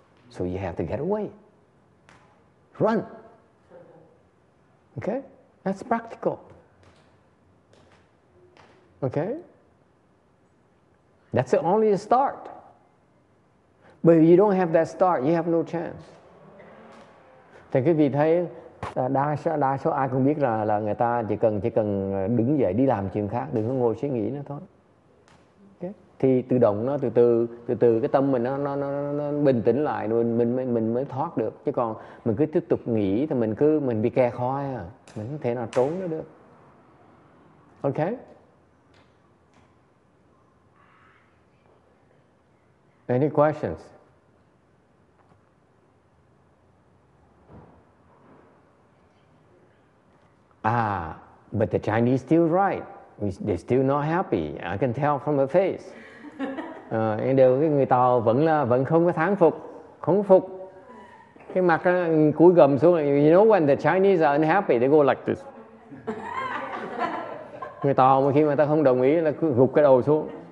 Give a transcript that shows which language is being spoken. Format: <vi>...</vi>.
<en>So you have to get away. Run. Okay? That's practical. Okay? That's only a start. But if you don't have that start, you have no chance.</en> <vi>Thì quý vị thấy đa số ai cũng biết là người ta chỉ cần đứng dậy đi làm chuyện khác, đừng có ngồi suy nghĩ nữa thôi. Okay? Thì tự động nó từ từ cái tâm mình nó bình tĩnh lại rồi mình mới thoát được. Chứ còn mình cứ tiếp tục nghĩ thì mình bị kẹt khói à, mình không thể nào trốn nó được. Okay?</vi> <en>Any questions? Ah, but the Chinese still right. They're still not happy. I can tell from the face.</en> <vi>Nhưng điều cái người Tàu vẫn không có thán phục, không phục. Cái mặt cúi gầm xuống.</vi> <en>You know when the Chinese are unhappy, they go like this.</en> <vi>Người Tàu mà khi mà ta không đồng ý là cứ gục cái đầu xuống.</vi>